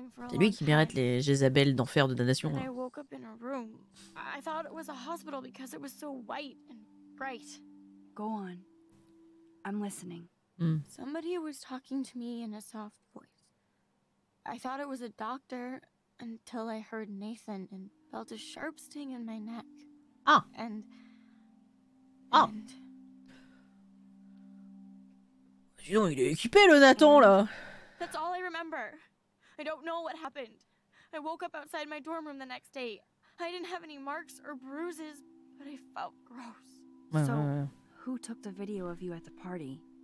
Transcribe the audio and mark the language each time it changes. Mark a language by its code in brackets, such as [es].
[fr] C'est lui qui mérite les Jézabel d'enfer de damnation. [en] I woke up in a room. I thought it was a hospital because it was so white and bright. Go on. I'm listening. Somebody was talking to me in a soft voice. I thought it was a doctor until I heard Nathan and felt a sharp sting in my neck. Ah. And [fr] Dis donc, il est équipé le Nathan là. [en] That's all I remember. I don't know what happened. I woke up outside my dorm room the next day. I didn't have any marks or bruises, but I felt gross. Ouais, so, who took the video of you at the party?